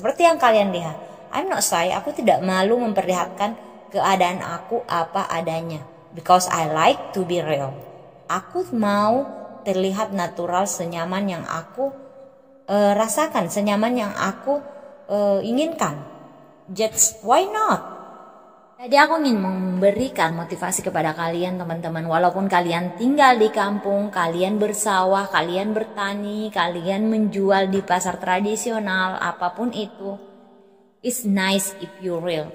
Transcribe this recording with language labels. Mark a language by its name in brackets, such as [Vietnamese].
[Indonesian] Seperti yang kalian lihat, [English] I'm not shy, [Indonesian] aku tidak malu memperlihatkan keadaan aku apa adanya. [English] Because I like to be real. [Indonesian] Aku mau terlihat natural senyaman yang aku rasakan, senyaman yang aku inginkan. [English] Just why not? [Indonesian] Jadi aku ingin memberikan motivasi kepada kalian teman-teman. Walaupun kalian tinggal di kampung, kalian bersawah, kalian bertani, kalian menjual di pasar tradisional, apapun itu, [English] it's nice if you real.